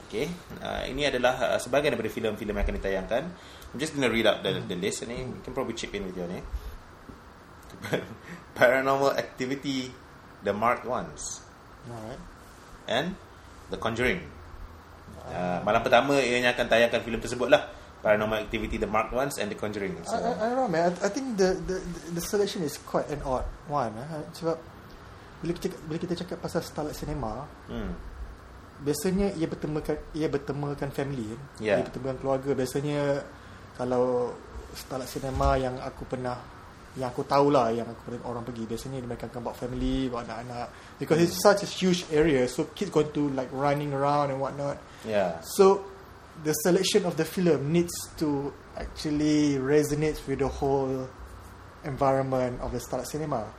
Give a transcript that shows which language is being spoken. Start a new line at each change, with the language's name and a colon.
Malay: Okay, ini adalah sebahagian daripada filem-filem yang akan ditayangkan.
English: I'm just gonna read up the list. Ini you can probably chip in with your name. Paranormal Activity, The Marked Ones. Alright.
Malay: And The Conjuring. Malam pertama ianya akan tayangkan filem tersebut lah.
English: Paranormal Activity, The Marked Ones, and The Conjuring. So, I don't know, man. I think the selection is quite an odd one.
Malay: Sebab bila kita cakap pasal Starlight Cinema, biasanya ia bertemakan family, ia bertemakan keluarga. Biasanya kalau Starlight Cinema yang aku pernah, yang aku tahu lah, yang aku pernah orang pergi, biasanya mereka akan bawa family, bawa anak-anak.
English: Because it's such a huge area, so kids going to like running around and whatnot. Yeah. So the selection of the film needs to actually resonate with the whole environment of the Starlight Cinema.